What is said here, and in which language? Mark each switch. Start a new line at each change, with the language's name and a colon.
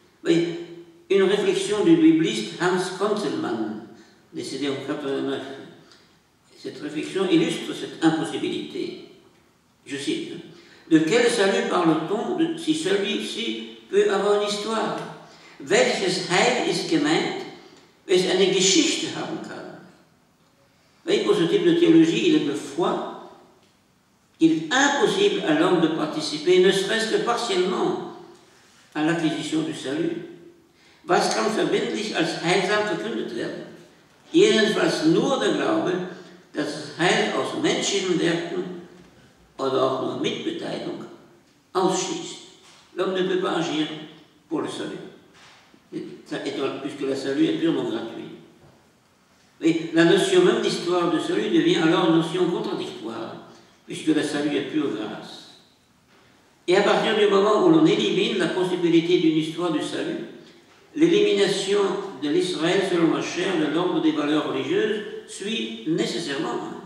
French: Mais, une réflexion du bibliste Hans Conzelmann, décédé en 89. Cette réflexion illustre cette impossibilité. Je cite, « De quel salut parle-t-on si celui-ci peut avoir une histoire ?
German: Welches Heil ist gemeint, es eine Geschichte haben kann ?»
French: Voyez, pour ce type de théologie, il est de foi qu'il est impossible à l'homme de participer, ne serait-ce que partiellement, à l'acquisition du salut.
German: Was kann verbindlich als heilsam verkündet werden? Jedenfalls nur der Glaube, dass das Heil aus menschlichen Werken oder auch nur Mitbeteiligung ausschließt.
French: L'homme ne peut pas agir pour le salut, puisque le salut est purement gratuit. Mais la notion même d'histoire de salut devient alors une notion contradictoire, puisque le salut est pure grâce. Et à partir du moment où l'on élimine la possibilité d'une histoire du salut, l'élimination de l'Israël selon la chair de l'ordre des valeurs religieuses suit nécessairement.